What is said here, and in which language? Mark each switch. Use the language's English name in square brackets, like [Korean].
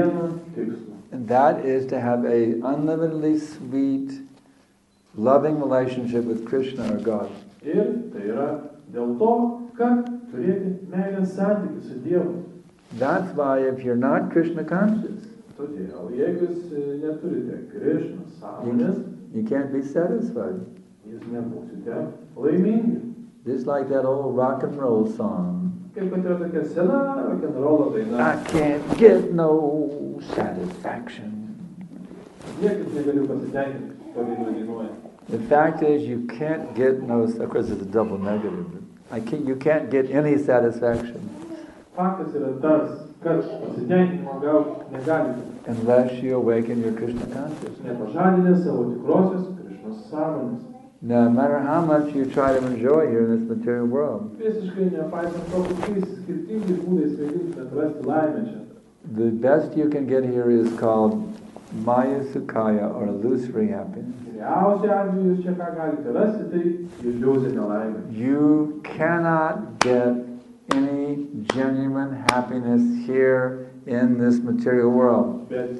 [English] And that is to have an unlimitedly sweet, loving relationship with Krishna or God. [Lithuanian] Ir tai yra dėl to, kad turėti meilės santykius su Dievu. [English] That's why if you're not Krishna conscious, [Lithuanian] todėl, jeigu jūs neturite Krishna sąmonės, [English] you can't be satisfied. [Lithuanian] Jūs nebūsite laimingi. [English] Just like that old rock and roll song. [Lithuanian] Kaip kad yra tokia sena rock and roll daina. [English] I can't get no satisfaction. [Lithuanian] Niekas negaliu pasitenkinti. [English] The fact is, you can't get no. Of course, it's a double negative. But I can't. You can't get any satisfaction. [Lithuanian] Faktas yra tas, kad pasitenkinimo gauti negalite. [English] Unless you awaken your Krishna consciousness. [Lithuanian] Nepažadinę savo tikrosios Krishnos sąmonės. [English] No matter how much you try to enjoy here in this material world. [Lithuanian] Visiškai nepaisant to, kokiais skirtingais būdais atrasti laimę čia. [English] The best you can get here is called Maya Sukaya or illusory happiness. You cannot get any genuine happiness here in this material world.